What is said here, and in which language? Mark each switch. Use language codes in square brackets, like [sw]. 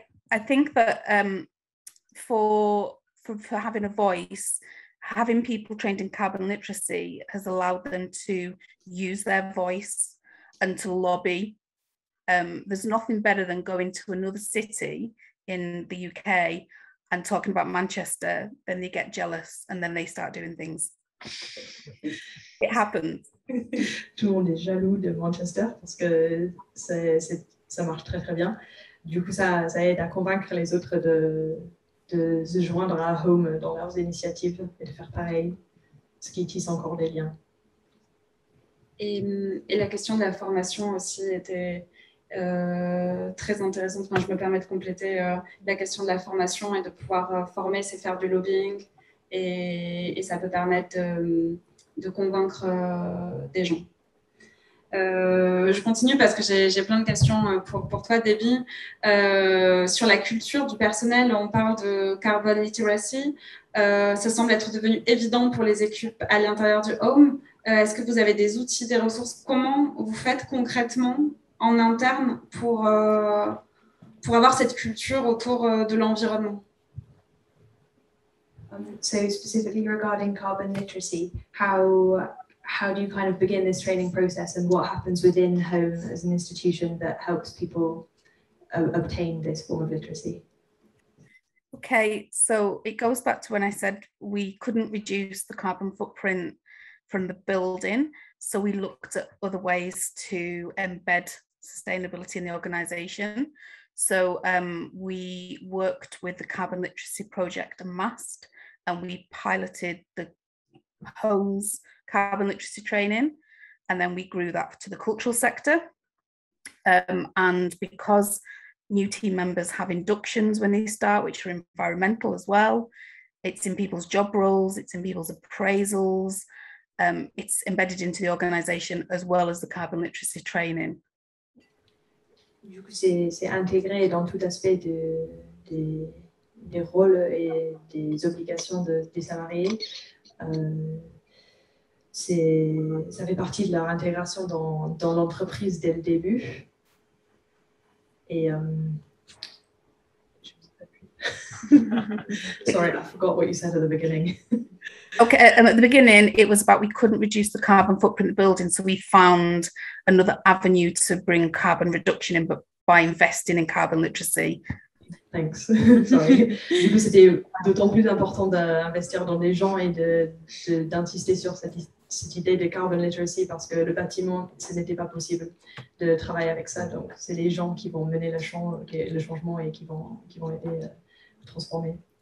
[en] I think that for having a voice, having people trained in carbon literacy has allowed them to use their voice and to lobby. There's nothing better than going to another city in the UK and talking about Manchester, then they get jealous and then they start doing things. It happens. [fr] Tout le monde est jaloux de Manchester parce que c'est ça marche très très bien. Du coup, ça aide à convaincre les autres de se joindre à Home dans leurs initiatives et de faire pareil, ce qui tisse encore des liens. Et la question de la formation aussi était très intéressante. Moi, je me permets de compléter la question de la formation et de pouvoir former, c'est faire du lobbying et ça peut permettre de convaincre des gens. Je continue parce que j'ai plein de questions pour toi, Debbie. Sur la culture du personnel, on parle de carbon literacy. Ça semble être devenu évident pour les équipes à l'intérieur du home. Est-ce que vous avez des outils, des ressources? Comment vous faites concrètement en interne pour avoir cette culture autour de l'environnement? [en] So specifically regarding carbon literacy, how do you kind of begin this training process and what happens within Home as an institution that helps people obtain this form of literacy? Okay, so it goes back to when I said we couldn't reduce the carbon footprint from the building. So we looked at other ways to embed sustainability in the organization. So we worked with the Carbon Literacy Project and MAST, and we piloted the homes carbon literacy training. And then we grew that to the cultural sector. And because new team members have inductions when they start, which are environmental as well, it's in people's job roles, it's in people's appraisals, it's embedded into the organization as well as the carbon literacy training. [fr] Du coup, c'est intégré dans tout aspect des rôles et des obligations des salariés. Ça fait partie de leur intégration dans l'entreprise dès le début. [en] Sorry, I forgot what you said at the beginning. Okay, and at the beginning, it was about we couldn't reduce the carbon footprint of the building, so we found another avenue to bring carbon reduction in, but by investing in carbon literacy. Thanks. Sorry. [fr] Du coup, c'était d'autant plus important d'investir dans des gens et d'insister sur cette idée de carbon literacy parce que le bâtiment, ce n'était pas possible de travailler avec ça. Donc, c'est les gens qui vont mener le changement et qui vont aider à transformer.